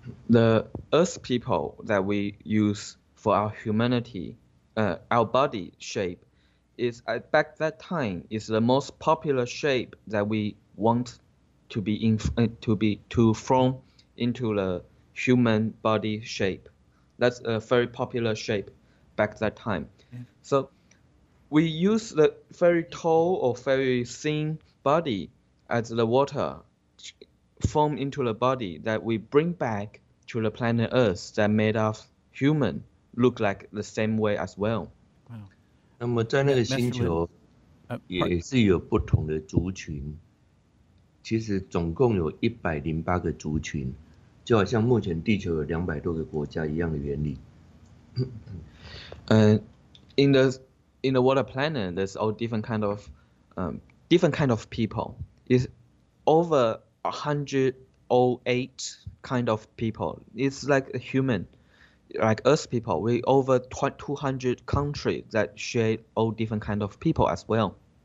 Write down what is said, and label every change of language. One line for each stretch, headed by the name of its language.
English: The earth people that we use for our humanity, our body shape, is back that time is the most popular shape that we want to be in, to form into the human body shape. That's a very popular shape back that time. So we use the very tall or very thin body as the water form into the body that we bring back to the planet Earth that made us human look like the same way as well.
Chinese: Wow. 那么在那个星球也是有不同的族群，其实总共有108个族群，就好像目前地球有200多个国家一样的原理。
English: In the water planet, there's all different kind of people. It's over 108 kind of people. It's like a human, like us people. We over 200 countries that share all different kind of people as well.